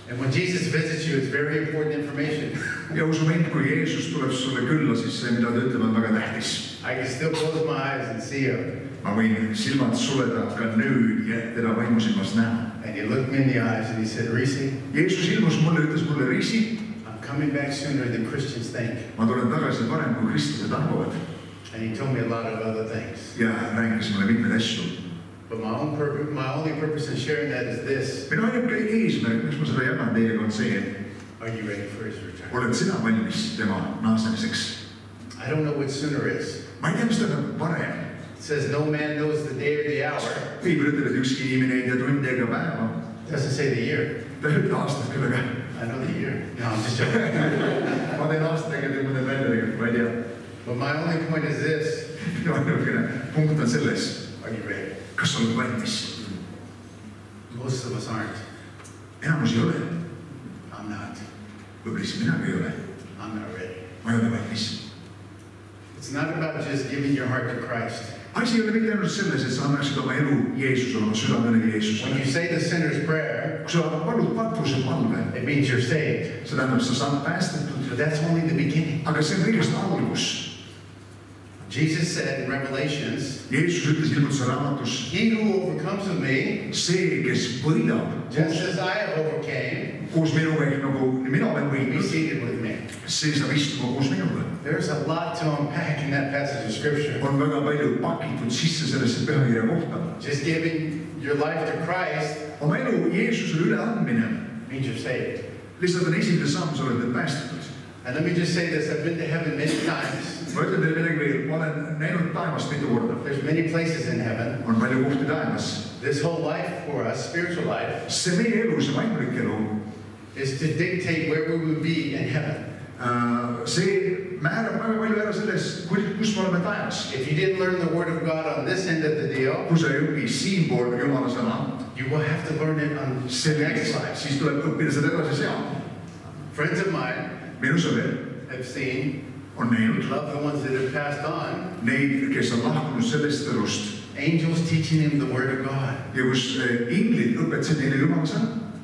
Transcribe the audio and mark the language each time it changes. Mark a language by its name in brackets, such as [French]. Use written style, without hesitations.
[English] And when Jesus visits you, it's very important information. [Estonian] Ja usun mind, kui Jeesus tuleb sulle külla, siis see, mida ta ütleb, on väga tähtis. [English] I can still close my eyes and see him. [Estonian] Ma võin silmad suleda ka nüüd ja teda vaimusilmas näha. [English] And he looked me in the eyes and he said, Risi. [Estonian] Jeesus ilmus mulle, ütles mulle, Risi. [English] I'm coming back sooner than Christians think. [Estonian] Ma tulen tagasi varem, kui kristlased arvavad. [English] And he told me a lot of other things. [Estonian] Ja rääkis mulle mitmed asju. [English] But my only purpose in sharing that is this. [Estonian] Minu ainuke eesmärk, miks ma seda jagan teiega, on see, et [English] are you ready for his return? [Estonian] Oled sina valmis tema naasemiseks? [English] I don't know what sooner is. [Estonian] Ma ei tea, mis teda parem. [English] It says no man knows the day or the hour. [Estonian] Piibel ütleb, et ükski inimene ei tea tundi ega päeva. [English] Doesn't say the year. [Estonian] Ta ei ütle aastat küll aga. [English] another year. No, I'm just joking. Well, they lost negative when they made it, right? But my only point is this. [Estonian] Punkt on selles. [English] Are you ready? [Estonian] Kas on valmis? [English] Most of us aren't. [Estonian] Enamus ei ole. [English] I'm not. [Estonian] Võibolla siis minagi ei ole. [English] I'm not ready. [Estonian] Ma ei ole valmis. [English] It's not about just giving your heart to Christ. [Estonian] Asi ei ole mitte ainult selles, et sa annaksid oma elu Jeesusele, oma südamele Jeesusele. [English] When you say the sinner's prayer, [Estonian] kui sa palud patruse palve, [English] it means you're saved. [Estonian] See tähendab, sa saad päästetud. [English] But that's only the beginning. [Estonian] Aga see on kõigest algus. [English] Jesus said in Revelations, [Estonian] Jeesus ütles ilmutuse raamatus, [English] he who overcomes with me, [Estonian] see, kes võidab, [English] just as I have overcame, [Estonian] koos minuga, nagu mina olen võinud, [English] be seated with me. [Estonian] See saab istuma koos minuga. [English] There's a lot to unpack in that passage of scripture. [Estonian] On väga palju pakitud sisse sellesse pühakirja kohta. [English] Just giving your life to Christ, [Estonian] oma elu Jeesusele üle andmine, [English] means you're saved. [Estonian] Lihtsalt on esimene samm, sa oled päästetud. [English] And let me just say this, I've been to heaven many times. [Estonian] Ma ütlen teile midagi, ma olen näinud taevas mitu korda. [English] There's many places in heaven. [Estonian] On palju kohti taevas. [English] This whole life for us, spiritual life, [Estonian] see meie elu, see vaimulik elu, [English] is to dictate where we will be in heaven. [Estonian] See määrab väga palju ära selles, kus me oleme taevas. [English] If you didn't learn the word of God on this end of the deal, [Estonian] kus sa ei õpi siin pool Jumala sõna, [English] you will have to learn it on the next life. [Estonian] Siis tuleb õppida seda edasi seal. [English] Friends of mine, [Estonian] minu sõber, [English] have seen, [Estonian] on näinud, [English] loved ones that have passed on, [Estonian] neid, kes on lahkunud sellest elust, [English] angels teaching him the word of God. [Estonian] Ja kus inglid õpetasid neile Jumala sõna.